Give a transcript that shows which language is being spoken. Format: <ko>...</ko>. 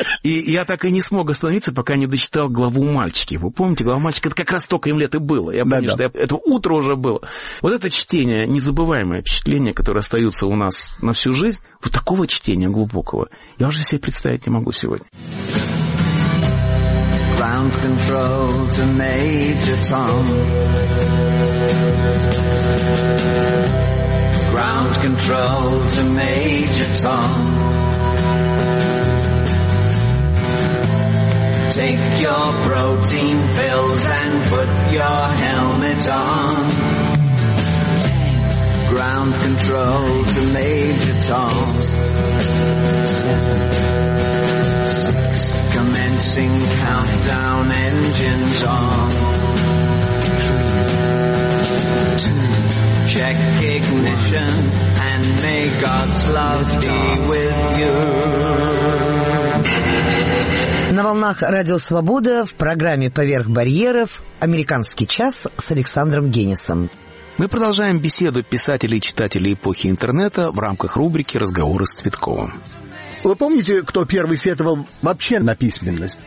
<ru>И я так и не смог остановиться, пока не дочитал главу «Мальчики». Вы помните, глава «Мальчики» — это как раз столько им лет и было. Я помню, что это утро уже было. Вот это чтение, незабываемое впечатление, которое остаются у нас на всю жизнь, вот такого чтения глубокого я уже себе представить не могу сегодня.</ru> <en>Ground control to Major Tom. Ground control to Major Tom. Take your protein pills and put your helmet on. Ground control to Major Tom. 8, 7, 6. Commencing countdown, engines on. 3, 2. Check ignition and may God's love be with you.</en> <ru>На волнах Радио Свобода в программе «Поверх барьеров» «Американский час» с Александром Геннисом. Мы продолжаем беседу писателей и читателей эпохи интернета в рамках рубрики «Разговоры с Цветковым». Вы помните, кто первый сетовал вообще на письменность?</ru>